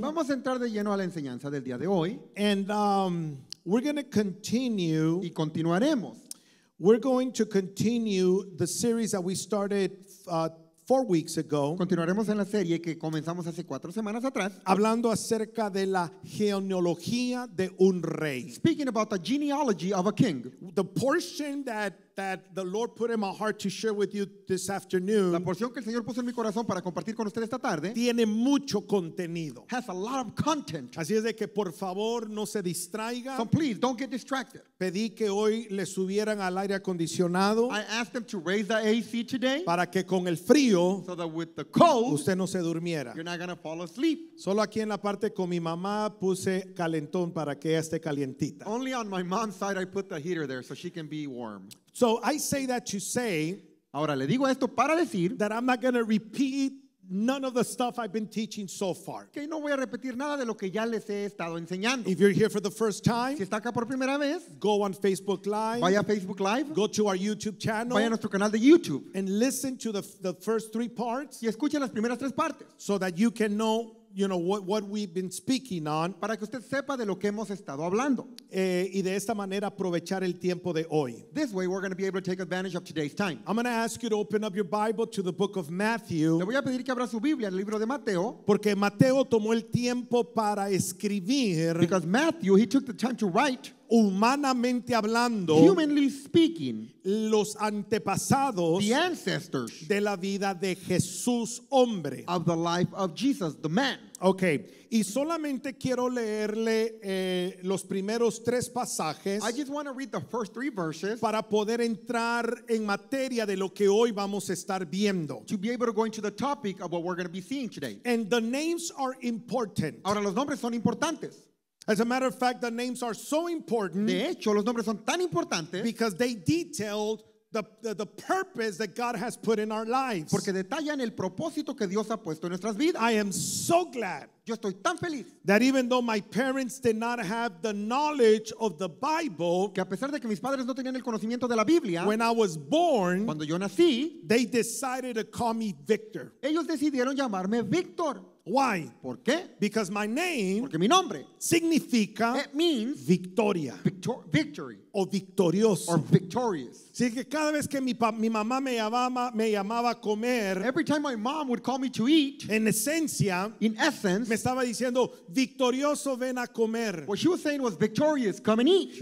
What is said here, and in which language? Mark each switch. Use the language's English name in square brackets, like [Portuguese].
[Spanish] Vamos a entrar de lleno a la enseñanza del día de hoy. [English] And we're going to continue. [Spanish] Y continuaremos. [English] We're going to continue the series that we started 4 weeks ago. [Spanish] Continuaremos en la serie que comenzamos hace 4 semanas atrás. Hablando acerca de la genealogía de un rey. [English] Speaking about the genealogy of a king. The portion that the Lord put in my heart to share with you this afternoon. [Spanish] La porción que el Señor puso en mi corazón para compartir con usted esta tarde. Tiene mucho contenido. [English] Has a lot of content. [Spanish] Así es de que por favor no se distraiga. [English] So please don't get distracted. [Spanish] Pedí que hoy le subieran al aire acondicionado. [English] I asked them to raise the AC today. [Spanish] Para que con el frío. [English] So that with the cold. [Spanish] Usted no se durmiera. [English] You're not going to fall asleep. [Spanish] Solo aquí en la parte con mi mamá puse calentón para que ella esté calientita. [English] Only on my mom's side I put the heater there so she can be warm. So I say that to say, [Spanish] ahora le digo esto para decir, [English] that I'm not going to repeat none of the stuff I've been teaching so far. [Spanish] Que no voy a repetir nada de lo que ya les he estado enseñando. [English] If you're here for the first time, [Spanish] si está acá por primera vez, [English] go on Facebook Live. [Spanish] Vaya a Facebook Live. [English] Go to our YouTube channel. [Spanish] Vaya a nuestro canal de YouTube. [English] And listen to the first three parts. [Spanish] Y escuche las primeras tres partes. [English] So that you can know, you know, what we've been speaking on. [Spanish] Para que usted sepa de lo que hemos estado hablando. Y de esta manera aprovechar el tiempo de hoy. [English] This way we're going to be able to take advantage of today's time. I'm going to ask you to open up your Bible to the book of Matthew. [Spanish] Le voy a pedir que abra su Biblia en el libro de Mateo. Porque Mateo tomó el tiempo para escribir. [English] Because Matthew, he took the time to write. [Spanish] Humanamente hablando. [English] Humanly speaking. [Spanish] Los antepasados. [English] The ancestors. [Spanish] De la vida de Jesús hombre. [English] Of the life of Jesus, the man. [Spanish] Okay, y solamente quiero leerle los primeros tres pasajes. [English] I just want to read the first three verses. [Spanish] Para poder entrar en materia de lo que hoy vamos a estar viendo. [English] To be able to go into the topic of what we're going to be seeing today. And the names are important. [Spanish] Ahora los nombres son importantes. [English] As a matter of fact, the names are so important. [Spanish] De hecho, los nombres son tan importantes. [English] Because they detailed the purpose that God has put in our lives. [Spanish] Porque detallan el propósito que Dios ha puesto en nuestras vidas. [English] I am so glad. [Spanish] Yo estoy tan feliz. [English] That even though my parents did not have the knowledge of the Bible. [Spanish] Que a pesar de que mis padres no tenían el conocimiento de la Biblia. [English] When I was born. [Spanish] Cuando yo nací. [English] They decided to call me Victor. [Spanish] Ellos decidieron llamarme Victor. [English] Why? [Spanish] ¿Por qué? [English] Because my name. [Spanish] Porque mi nombre. Significa. [English] It means. [Spanish] Victoria. [English] Victory. [Spanish] O victorioso. [English] Or victorious. [Spanish] Así que cada vez que mi mamá me llamaba a comer. [English] Every time my mom would call me to eat. [Spanish] En esencia. [English] In essence. [Spanish] Me estaba diciendo, victorioso ven a comer. [English] What she was saying was, victorious, come and eat.